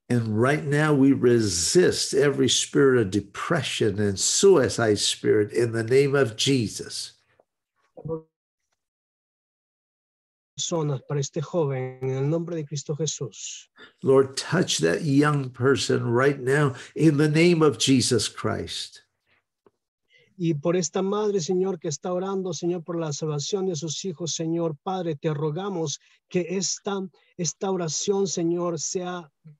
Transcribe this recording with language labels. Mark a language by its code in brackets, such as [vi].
[en] And right now we resist every spirit of depression and suicide spirit in the name of Jesus. [es] Para este joven en el nombre de Cristo Jesús. [en] Lord, touch that young person right now in the name of Jesus Christ. [es] Y por esta madre, Señor, que está orando, Señor, por la salvación de sus hijos, Señor, Padre, te rogamos que esta oración, Señor, sea